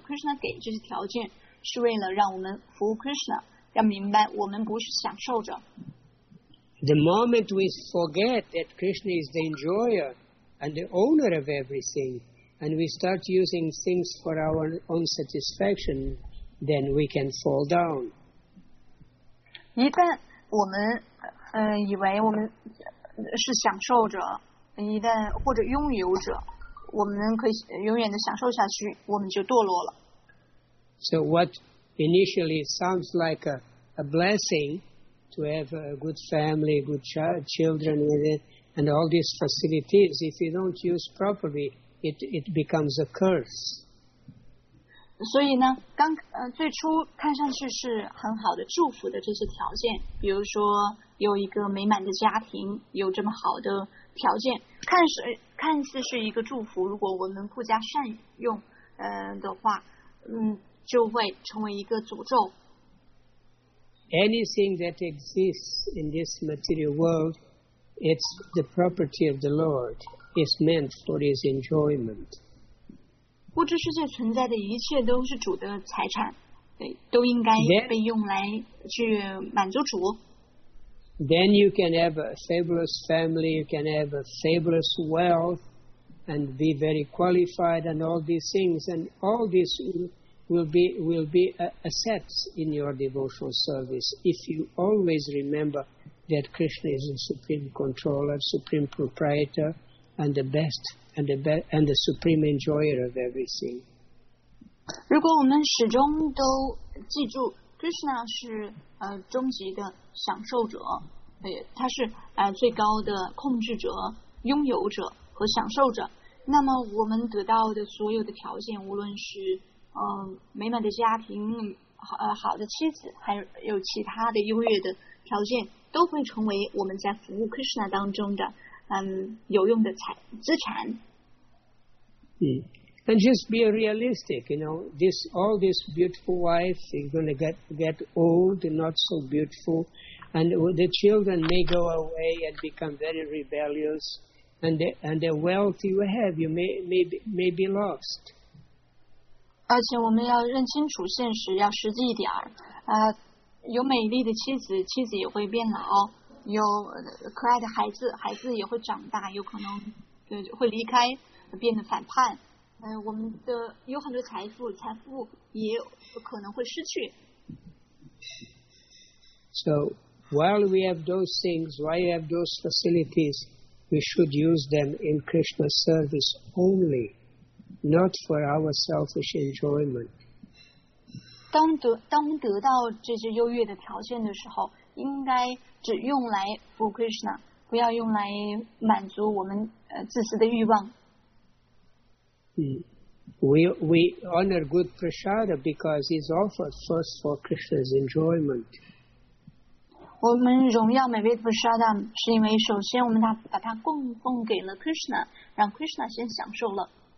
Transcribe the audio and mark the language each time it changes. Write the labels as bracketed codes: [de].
[zh] Krishna 给这些条件是为了让我们服务 Krishna， 要明白我们不是享受者。 [en] The moment we forget that Krishna is the enjoyer and the owner of everything, and we start using things for our own satisfaction, then we can fall down. [zh] 一旦我们以为我们是享受者，一旦或者拥有者，我们可以永远的享受下去，我们就堕落了。 [en] So what initially sounds like a blessing to have a good family, good children with it, and all these facilities, if you don't use properly, it becomes a curse. [zh] 所以呢，最初看上去是很好的祝福的这些条件，比如说有一个美满的家庭，有这么好的条件，看似是一个祝福，如果我们不加善用，的话，就会成为一个诅咒。 [en] Anything that exists in this material world, it's the property of the Lord. It's meant for His enjoyment. [zh] 物质世界存在的一切都是主的财产，对，都应该被用来去满足主。 [en] Then you can have a fabulous family, you can have a fabulous wealth, and be very qualified, and all these things, and all this will be assets in your devotional service if you always remember that Krishna is the supreme controller, supreme proprietor, and the best and the supreme enjoyer of everything. [zh] 如果我们始终都记住 Krishna 是终极的享受者，他是最高的控制者、拥有者和享受者，那么我们得到的所有的条件，无论是美满的家庭，好的妻子，还有其他的优越的条件，都会成为我们在服务 Krishna 当中的有用的资产。 [en] And just be realistic, you know, all this beautiful wife is going to get old and not so beautiful, and the children may go away and become very rebellious, and the wealth you have, you may be lost. [zh] 而且我们要认清楚现实，要实际一点儿。有美丽的妻子，妻子也会变老；有可爱的孩子，孩子也会长大，有可能会离开，变得反叛。我们的有很多财富也可能会失去。 [en] So while we have those things, while we have those facilities, we should use them in Krishna's service only. Not for our selfish enjoyment. [zh] 当得到这些优越的条件的时候，应该只用来服务 Krishna， 不要用来满足我们自私的欲望。 [en] We honor good prasada because it's offered first for Krishna's enjoyment. [zh] 我们荣耀美味的 prasada 是因为首先我们把它供奉给了 Krishna， 让 Krishna 先享受了。